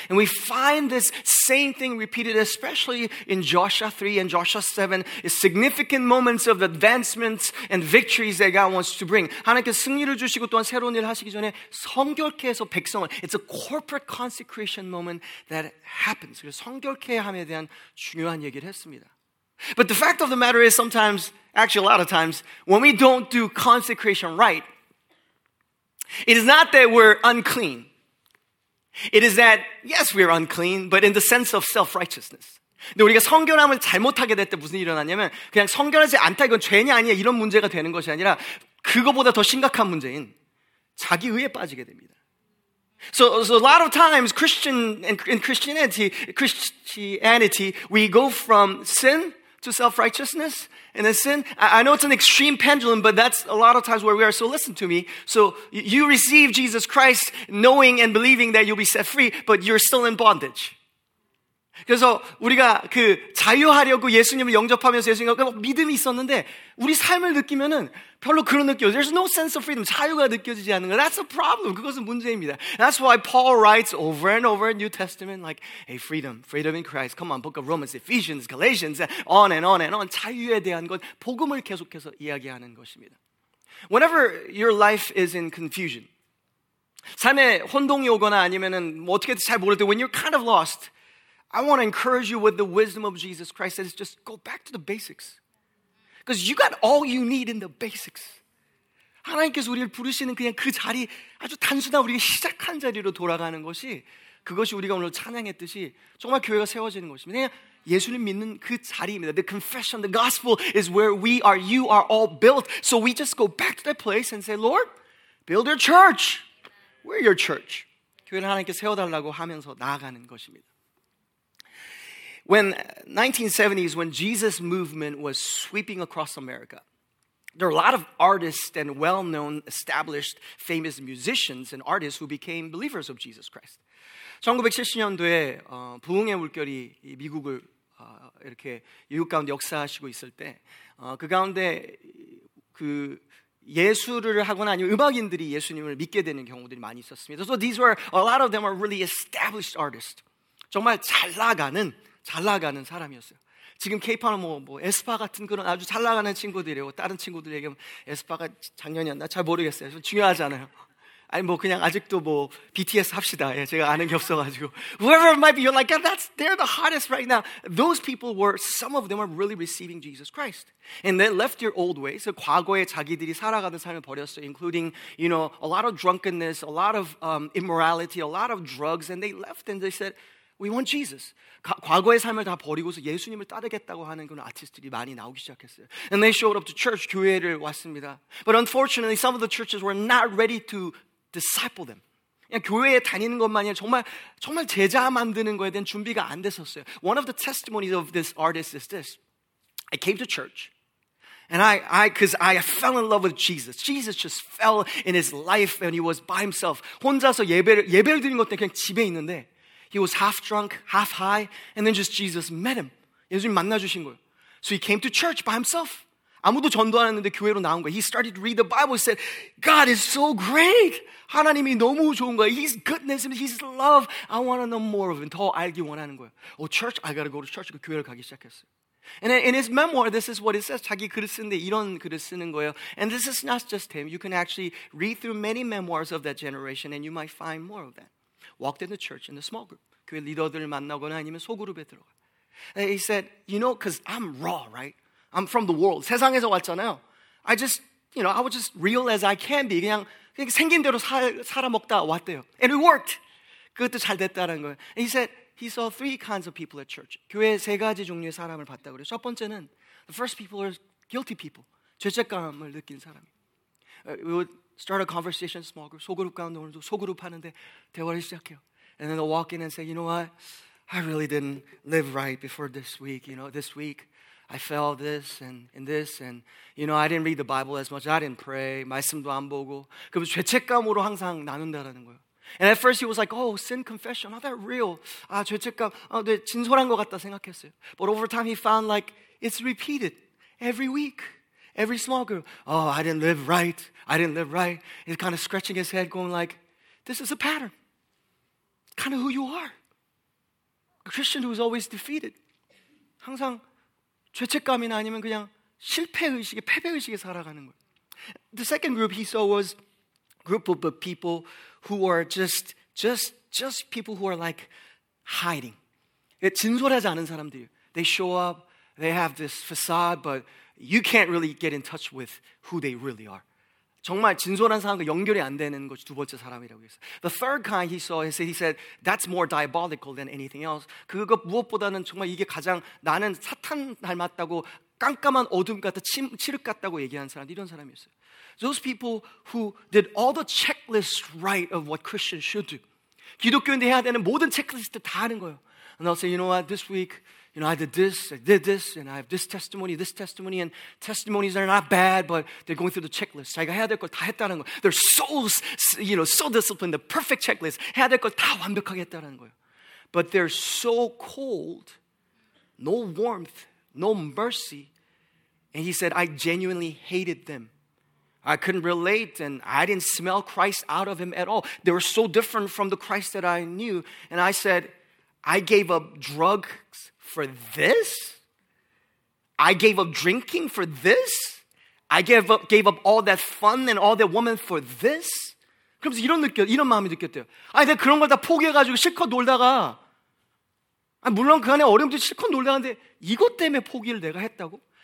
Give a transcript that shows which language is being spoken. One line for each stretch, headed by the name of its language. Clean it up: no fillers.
English: And we find this same thing repeated, especially in Joshua 3 and Joshua 7, significant moments of advancements and victories that God wants to bring.
Korean: 하나님께 승리를 주시고 또한 새로운 일을 하시기 전에 성결케 해서 백성을.
English: It's a corporate consecration moment that happens.
Korean: 그래서 성결케 함에 대한 중요한 얘기를 했습니다.
English: But the fact of the matter is sometimes, actually a lot of times, when we don't do consecration right, it is not that we're unclean. It is that, yes, we're unclean, but in the sense of self-righteousness.
Korean: 근데 우리가 성결함을 잘못하게 될 때 무슨 일이 일어나냐면 그냥 성결하지 않다, 이건 죄냐 아니냐 이런 문제가 되는 것이 아니라 그거보다 더 심각한 문제인 자기의에 빠지게 됩니다.
English: So a lot of times, Christian in Christianity, we go from sin to self-righteousness, and then sin. I know it's an extreme pendulum, but that's a lot of times where we are. So listen to me. So you receive Jesus Christ knowing and believing that you'll be set free, but you're still in bondage.
Korean: 그래서 우리가 그 자유하려고 예수님을 영접하면서 예수님과 믿음이 있었는데 우리 삶을 느끼면은 별로 그런 느낌.
English: There's no sense of freedom.
Korean: 자유가 느껴지지 않는 거.
English: That's a problem.
Korean: 그것은 문제입니다.
English: That's why Paul writes over and over in New Testament like, hey, freedom, freedom in Christ. Come on, Book of Romans, Ephesians, Galatians, on and on and on.
Korean: 자유에 대한 것, 복음을 계속해서 이야기하는 것입니다.
English: Whenever your life is in confusion,
Korean: 삶에 혼동이 오거나 아니면은 뭐 어떻게든 잘 모를 때,
English: when you're kind of lost, I want to encourage you with the wisdom of Jesus Christ that is just go back to the basics. Because you got all you need in the basics.
Korean: 하나님께서 우리를 부르시는 그냥 그 자리, 아주 단순한 우리가 시작한 자리로 돌아가는 것이 그것이 우리가 오늘 찬양했듯이 정말 교회가 세워지는 것입니다. 그냥 예수님 믿는 그 자리입니다.
English: The confession, the gospel is where we are, you are all built. So we just go back to that place and say, Lord, build your church. We're your church.
Korean: 교회를 하나님께 세워달라고 하면서 나아가는 것입니다.
English: When 1970s, when Jesus movement was sweeping across America, there were a lot of artists and well-known, established, famous musicians and artists who became believers of Jesus Christ.
Korean: 1970년도에 부흥의 물결이 미국을 이렇게 미국 가운데 역사하시고 있을 때, 그 가운데 그 예수를 하거나 아니면 음악인들이 예수님을 믿게 되는 경우들이 많이 있었습니다.
English: So these were a lot of them are really established artists.
Korean: 정말 잘 나가는 잘 나가는 사람이었어요. 지금 케이팝은 뭐 에스파 같은 그런 아주 잘 나가는 친구들이고 다른 친구들 얘기하면 에스파가 작년이었나 잘 모르겠어요. 중요하지 않아요. 아니 뭐 그냥 아직도 뭐 BTS 합시다. 예, 제가 아는 게 없어가지고
English: whoever it might be, you're like that's they're the hottest right now. Those people were some of them are really receiving Jesus Christ and they left their old ways.
Korean: 과거에 자기들이 살아가던 삶을 버렸어요.
English: Including you know a lot of drunkenness, a lot of immorality, a lot of drugs, and they left and they said. We want Jesus.
Korean: 과거의 삶을 다 버리고서 예수님을 따르겠다고 하는 그런 아티스트들이 많이 나오기 시작했어요.
English: And they showed up to church,
Korean: 교회를 왔습니다.
English: But unfortunately, some of the churches were not ready to disciple them.
Korean: 그냥 교회에 다니는 것만이 아니라 정말, 정말 제자 만드는 거에 대한 준비가 안 됐었어요.
English: One of the testimonies of this artist is this. I came to church. And I fell in love with Jesus. Jesus just fell in his life and he was by himself.
Korean: 혼자서 예배를 드린 것 때문에 그냥 집에 있는데
English: He was half drunk, half high, and then just Jesus met him.
Korean: 예수님 만나주신 거예요.
English: So he came to church by himself.
Korean: 아무도 전도 안 했는데 교회로 나온 거예요.
English: He started to read the Bible. He said, God is so great.
Korean: 하나님이 너무 좋은 거예요.
English: His goodness and his love. I want to know more of him.
Korean: 더 알기 원하는 거예요.
English: Oh, church, I got to go to church.
Korean: 교회를 가기 시작했어요.
English: And in his memoir, this is what it says.
Korean: 자기 글을 쓰는데 이런 글을 쓰는 거예요.
English: And this is not just him. You can actually read through many memoirs of that generation, and you might find more of that. Walked in the church in the small group.
Korean: 교회 리더들을 만나거나 아니면 소그룹에 들어가.
English: He said, you know, because I'm raw, right? I'm from the world.
Korean: 세상에서 왔잖아요.
English: I just, you know, I was just real as I can be.
Korean: 그냥 생긴 대로 살아먹다 왔대요.
English: And it worked.
Korean: 그것도 잘 됐다는 거예요.
English: And he said, he saw three kinds of people at church.
Korean: 교회 세 가지 종류의 사람을 봤다 그래요. 첫 번째는,
English: the first people are guilty people.
Korean: 죄책감을 느낀 사람.
English: We would start a conversation, small group,
Korean: 소그룹 가운데 오늘도 소그룹 하는데 대화를 시작해요.
English: And then they'll walk in and say, you know what? I really didn't live right before this week. You know, this week, I fell this and this and you know I didn't read the Bible as much. I didn't pray.
Korean: 말씀도 안 보고. 그 죄책감으로 항상 나눈다라는 거예요.
English: And at first he was like, oh, sin confession. Oh, that real.
Korean: 아 죄책감. 아, 네, 진솔한 것 같다 생각했어요.
English: But over time he found like it's repeated every week. Every small group, oh, I didn't live right. I didn't live right. He's kind of scratching his head going like, this is a pattern. Kind of who you are. A Christian who is always defeated.
Korean: 항상 죄책감이나 아니면 그냥 실패의식에, 패배의식에 살아가는 거예요.
English: The second group he saw was group of people who are just people who are like hiding.
Korean: 진솔하지 않은 사람들이에요.
English: They show up, they have this facade, but you can't really get in touch with who they really are.
Korean: 정말 진솔한 사람과 연결이 안 되는 것이 두 번째 사람이라고 했어요.
English: The third kind he saw, he said, that's more diabolical than anything else.
Korean: 그거 무엇보다는 정말 이게 가장 나는 사탄 닮았다고 깜깜한 어둠 같다, 칠흑 같다고 얘기한 사람, 이런 사람이었어요.
English: Those people who did all the checklists right of what Christians should do.
Korean: 기독교인들 해야 되는 모든 체크리스트 다 하는 거예요.
English: And they'll say, you know what, this week, you know, I did this, and I have this testimony, and testimonies are not bad, but they're going through the checklist.
Korean: 자기가 해야 될 걸 다 했다는 거.
English: They're so, you know, so disciplined, the perfect checklist.
Korean: 해야 될 걸 다 완벽하게 했다는 거예요.
English: But they're so cold, no warmth, no mercy. And he said, I genuinely hated them. I couldn't relate, and I didn't smell Christ out of him at all. They were so different from the Christ that I knew. And I said, I gave up drugs for this? I gave up drinking for this? I gave up all that fun and all that woman for this?
Korean: 그러면서 이런 마음이 느꼈대요. 아니, 내가 그런 걸 다 포기해가지고 실컷 놀다가, 아니, 물론 그 안에 어려움도 실컷 놀다가, 이것 때문에 포기를 내가 했다고?